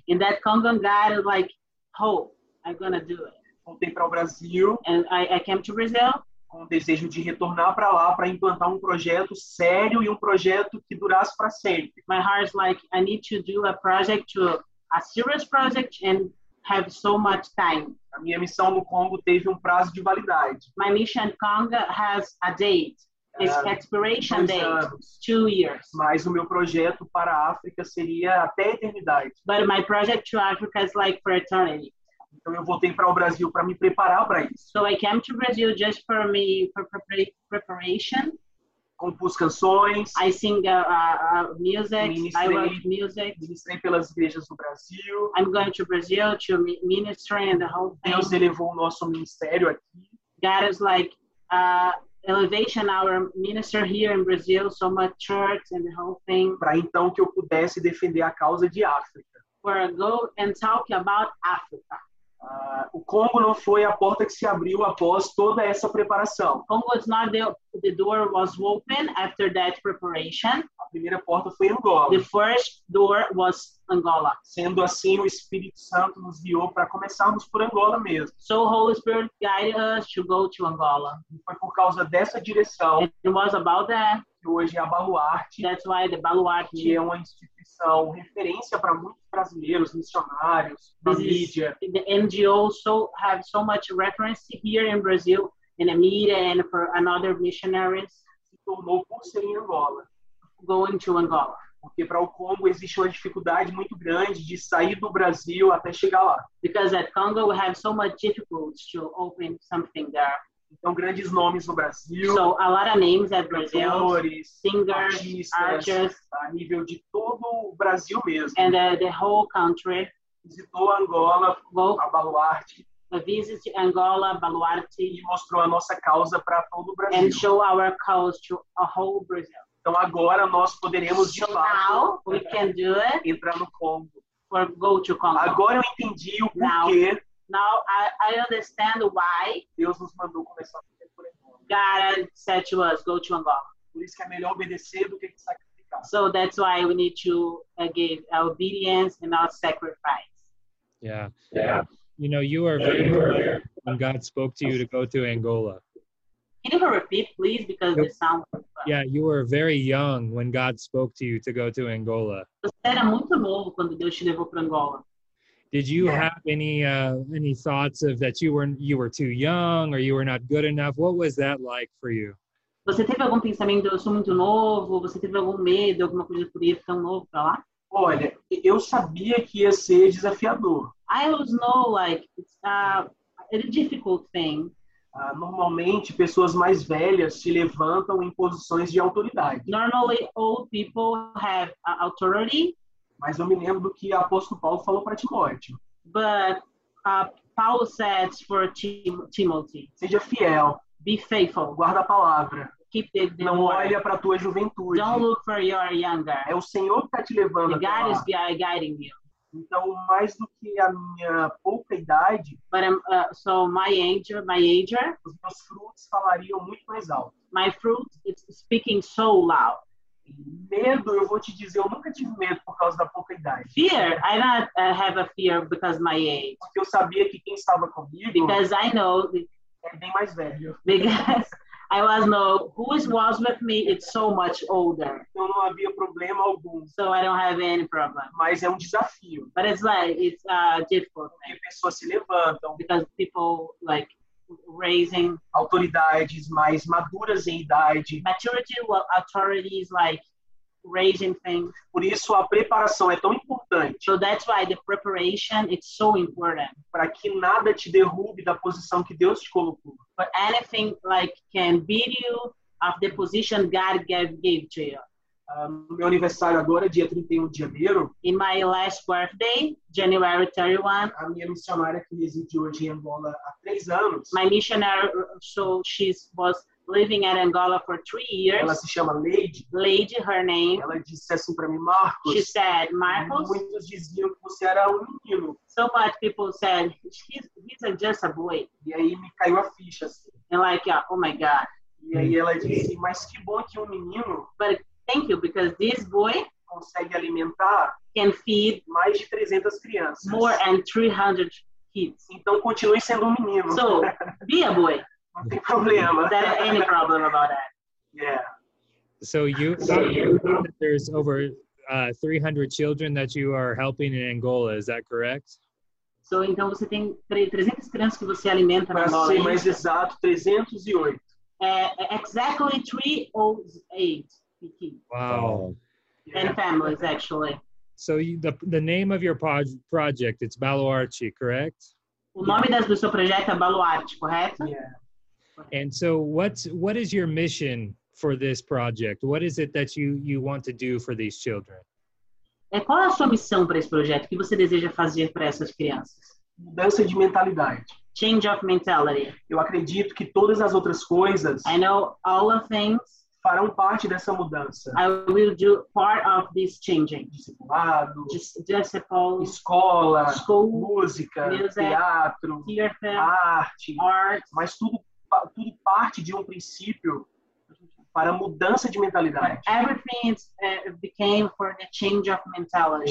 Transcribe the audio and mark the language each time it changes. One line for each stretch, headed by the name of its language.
English: In that Congo God is like, hope, I'm gonna do it.
Portuguese: Voltei para o Brasil.
English: And I came to Brazil.
Portuguese: Com o desejo de retornar para lá para implantar um projeto sério e um projeto que durasse para sempre.
English: My heart is like, I need to do a serious project and have so much time.
Portuguese: A minha missão no Congo teve um prazo de validade.
English: My mission in Congo has a date. It's expiration date,
Portuguese: anos.
English: 2 years.
Portuguese: Mas o meu projeto para a África seria até a eternidade.
English: But my project to Africa is like for eternity.
Portuguese: Então eu voltei para o Brasil para me preparar para isso.
English: So I came to Brazil just for me, for preparation.
Portuguese: Compus canções.
English: I sing music.
Portuguese: Ministrei pelas igrejas do Brasil.
English: I'm going to Brazil to minister and the whole thing.
Portuguese: Deus elevou o nosso ministério aqui.
English: God is like... Elevation, our minister here in Brazil, so much church and the whole thing.
Portuguese: Para então que eu pudesse defender a causa de África.
English: For a go and talk about Africa.
Portuguese: O Congo não foi a porta que se abriu após toda essa preparação.
English: Congo is not the door was open after that preparation.
Portuguese: A primeira porta foi Angola.
English: The first door was Angola.
Portuguese: Sendo assim, o Espírito Santo nos guiou para começarmos por Angola mesmo.
English: So Holy Spirit guided us to go to Angola.
Portuguese: E foi por causa dessa direção.
English: It was about that.
Portuguese: Que hoje é a Baluarte.
English: That's why the Baluarte.
Portuguese: Que é uma instituição, referência para muitos brasileiros, missionários, na mídia.
English: The NGO also have so much reference here in Brazil, in the media and for other missionaries.
Portuguese: Se tornou por ser em Angola.
English: Going to Angola.
Portuguese: Porque para o Congo existe uma dificuldade muito grande de sair do Brasil até chegar lá.
English: Because at Congo we have so much difficulties to open something there.
Portuguese: Então, grandes nomes no Brasil.
English: So, a lot of names at Brazil.
Portuguese: Cantores,
English: singers,
Portuguese: artistas. A nível de todo o Brasil mesmo.
English: And the whole country.
Portuguese: Visitou Angola, a Baluarte.
English: Visit Angola, Baluarte.
Portuguese: E mostrou a nossa causa para todo o Brasil.
English: And show our cause to a whole Brazil.
Portuguese: Então, agora nós poderemos, de fato,
English: we can do it.
Portuguese: Entrar no Congo.
English: Or go to Congo.
Portuguese: Agora eu entendi o porquê.
English: Now I understand why
Portuguese: Deus nos mandou começar a viver por Angola.
English: God said to us, go to Angola.
Portuguese: Por isso que é melhor obedecer do que sacrificar.
English: So that's why we need to give obedience and not sacrifice. Yeah. Yeah. You know, you are very clear when God spoke to you to go to Angola. Can you repeat, please, because the sound... Yeah, you were very young when God spoke to you to go to Angola.
Portuguese: Você era muito novo quando Deus te levou para Angola.
English: Did you have any thoughts of that you were too young or you were not good enough? What was that like for you?
Portuguese: Você teve algum pensamento, eu sou muito novo, você teve algum medo, alguma coisa por ir tão novo para lá? Olha, eu sabia que ia ser desafiador.
English: I always know, like, it's a difficult thing.
Portuguese: Normalmente, pessoas mais velhas se levantam em posições de autoridade.
English: Normally, old people have authority.
Portuguese: Mas eu me lembro que o apóstolo Paulo falou para Timóteo.
English: But Paul says for Timothy.
Portuguese: Seja fiel.
English: Be faithful.
Portuguese: Guarda a palavra.
English: Keep the word.
Portuguese: Não olha para a tua juventude.
English: Don't look for your younger.
Portuguese: É o Senhor que está te levando.
English: The God is guiding you.
Portuguese: Então, mais do que a minha pouca idade,
English: but so my age,
Portuguese: os meus frutos falariam muito mais alto.
English: My fruit is speaking so loud.
Portuguese: Medo, eu vou te dizer, eu nunca tive medo por causa da pouca idade.
English: Fear, I don't have a fear because of my age.
Portuguese: Porque eu sabia que quem estava comigo,
English: because I know,
Portuguese: é bem mais velho.
English: Because I always know who was with me, it's so much older.
Portuguese: Então não havia problema algum.
English: So I don't have any problem.
Portuguese: Mas é um desafio.
English: But it's like, it's a difficult thing.
Portuguese: Porque pessoas se levantam.
English: Because people, like, raising
Portuguese: autoridades mais maduras em idade.
English: Maturity, well, authority is like raising things.
Portuguese: Por isso a preparação é tão importante.
English: So that's why the preparation is so important.
Portuguese: Para que nada te derrube da posição que Deus te colocou.
English: But anything like can beat you of the position God gave to you.
Portuguese: No meu aniversário agora, dia 31 de janeiro.
English: In my last birthday, January 31.
Portuguese: A minha missionária que reside hoje em Angola há 3 anos.
English: My missionary, so she was living at Angola for 3 years.
Portuguese: Ela se chama Lady.
English: Lady, her name.
Portuguese: Ela disse assim para mim, Marcos.
English: She said, Marcos.
Portuguese: Muitos diziam que você era um menino.
English: So much people said, he's just a boy.
Portuguese: E aí me caiu a ficha assim.
English: And like, oh my God.
Portuguese: E aí ela disse, mas que bom que um menino.
English: But thank you, because this boy
Portuguese: consegue alimentar,
English: can feed
Portuguese: mais de 300 crianças.
English: More than 300 kids.
Portuguese: Então continue sendo um menino.
English: So, be a boy.
Portuguese: Não tem problema.
English: Is there any problem about that? Yeah. So you think that there's over 300 children that you are helping in Angola, is that correct?
Portuguese: So, então você tem 300 crianças que você alimenta na Angola. Para ser mais exato, 308.
English: Exactly 308. Wow. And families, actually. So the name of your project, it's Baluarte, correct?
Portuguese: O nome do seu projeto é Baluarte, correto?
English: Yeah. And so what is your mission for this project? What is it that you want to do for these children?
Portuguese: Qual é a sua missão para esse projeto? O que você deseja fazer para essas crianças? Mudança de mentalidade.
English: Change of mentality.
Portuguese: Eu acredito que todas as outras coisas...
English: I know all of things...
Portuguese: farão parte dessa mudança.
English: I will do part of this changing.
Portuguese: Discipulado. Discipulado. Escola.
English: School,
Portuguese: música.
English: Music,
Portuguese: teatro.
English: Theater,
Portuguese: arte.
English: Art.
Portuguese: Mas tudo parte de um princípio para mudança de mentalidade.
English: But everything became for the change of mentality.